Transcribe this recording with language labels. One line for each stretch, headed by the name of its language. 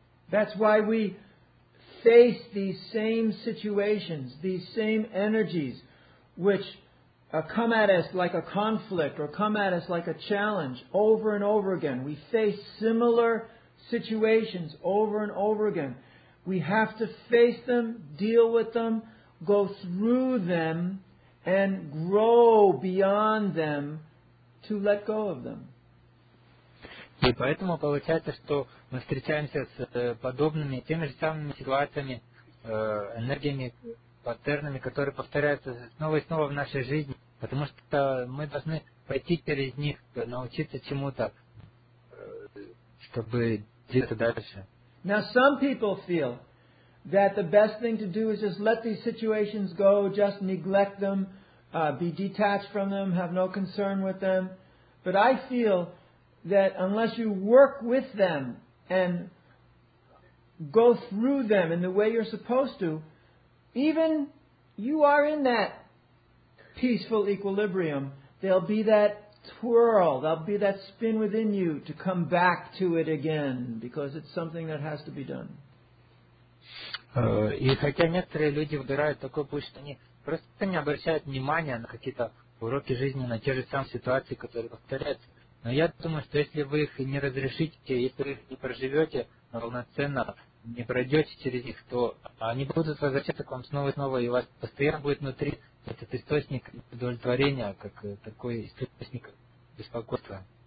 English: That's why we face these same situations, these same energies, which come at us like a conflict or come at us like a challenge over and over again. We face similar situations over and over again. We have to face them, deal with them, go through them, and grow beyond them to let go of them.
Russian: И поэтому получается, что мы встречаемся с подобными, теми же самыми ситуациями, энергиями, паттернами, которые повторяются снова и снова в нашей жизни, потому что мы должны пойти через них, научиться чему-то, чтобы двигаться дальше.
English: Now some people feel that the best thing to do is just let these situations go, just neglect them, be detached from them, have no concern with them. But I feel that unless you work with them and go through them in the way you're supposed to, even you are in that peaceful equilibrium, there'll be that twirl, there'll be that spin within you to come back to it again because it's something that has to be done.
Russian: И хотя некоторые люди выбирают такой путь, что они просто не обращают внимания на какие-то уроки жизни, на те же самые ситуации, которые повторяются, но я думаю, что если вы их не разрешите, если вы их не проживете полноценно, не пройдете через них, то они будут возвращаться к вам снова и снова, и у вас постоянно будет внутри этот источник удовлетворения, как такой источник беспокойства.